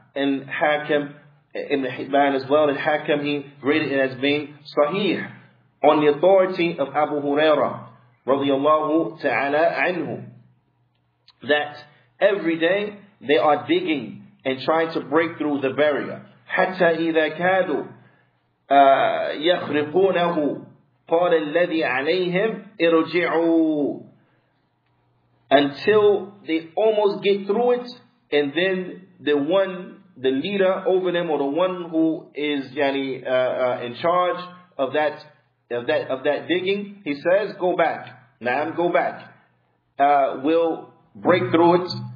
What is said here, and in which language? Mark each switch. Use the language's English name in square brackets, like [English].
[English] And Hakim, Ibn Hibban as well, and Hakim, he graded it as being Sahih, on the authority of Abu Hurairah radiallahu ta'ala anhu, that every day they are digging and trying to break through the barrier. [Arabic] حتى إذا كادوا يخرقونه قال الذي عليهم ارجعوا. [English] Until they almost get through it, and then the leader over them, or the one who is in charge of that digging, he says, go back. Na'am, go back. We'll break through it.